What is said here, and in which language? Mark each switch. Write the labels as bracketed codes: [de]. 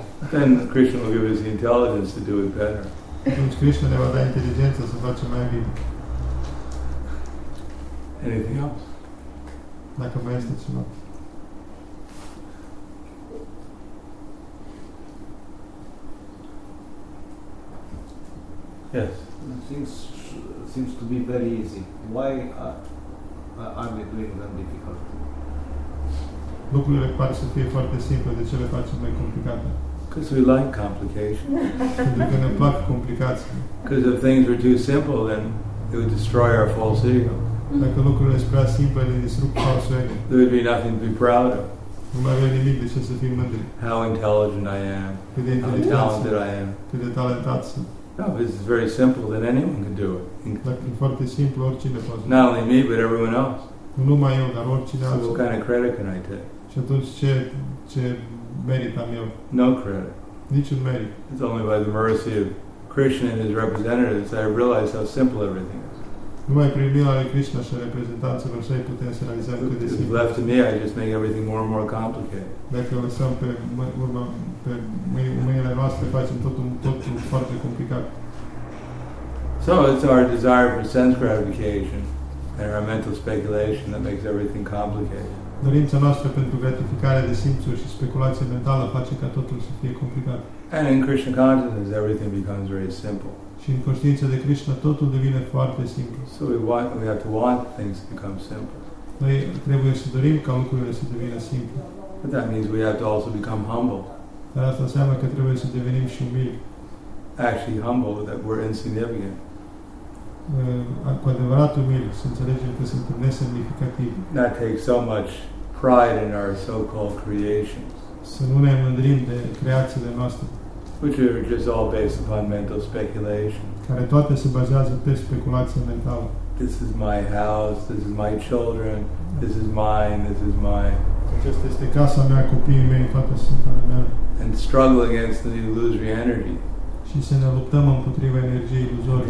[en] Then Krishna will give us the intelligence to do it better. [ro] Krishna ne va da inteligența să facem mai bine. [en] Anything else? [ro] Dacă mai este ceva. [en] Yes. Things seems to be very easy. Why are we doing them difficult? [ro] Lucrurile par să fie foarte simple, de ce le facem mai complicate? [en] Because we like complications. [ro] Pentru că ne plac complicații. [en] Because if things were too simple, then it would destroy our false ego. [ro] Dacă lucrurile sunt prea simple, le distrug falsul ego. [en] There would be nothing to be proud of. [ro] Nu mai avea nimic de ce să fim mândri. [en] How intelligent I am. How talented I am. [ro] Cât de talentat sunt. [en] No, this is very simple, then anyone can do it. [ro] Foarte simplu, oricine poate. [en] Not only me, but everyone else. [ro] Nu mai eu, dar oricine [en] so [ro] alții. [en] What kind of credit can I take? [ro] Și atunci ce merit am eu? [en] No credit. [ro] Niciun merit. [en] It's only by the mercy of Krishna and his representatives that I realize how simple everything is. [ro] Numai prin mila lui Krishna și reprezentanților săi putem să realizăm cât de simplu. [en] If left to me, I just make everything more and more complicated. [ro] Dacă o lăsăm pe urmă, pe mâinile noastre, facem totul foarte complicat. [en] So it's our desire for sense gratification and our mental speculation that makes everything complicated. [ro] Dorința noastră pentru gratificare de simțuri și speculație mentală face ca totul să fie complicat. [en] And in Krishna consciousness, everything becomes very simple. [ro] Și în conștiința de Krishna totul devine foarte simplu. [en] So we have to want things to become simple. [ro] Noi trebuie să dorim ca lucrurile să devină simple. [en] But that means we have to also become humble. [ro] Dar asta înseamnă că trebuie să devenim și umili. [en] Actually humble, that we're insignificant. [ro] Cu adevărat umili, să înțelegem că suntem nesemnificativi. [en] That takes so much pride in our so-called creations. [ro] Să nu ne mândrim de creațiile noastre. [en] Which are just all based upon mental speculation. [ro] Care toate se bazează pe speculație mentală. [en] This is my house, this is my children, this is mine, this is mine. [ro] Acesta este casa mea, copiii mei, toate sunt ale mele. [en] And struggle against the illusory energy. [ro] Și să ne luptăm împotriva energiei iluzorii.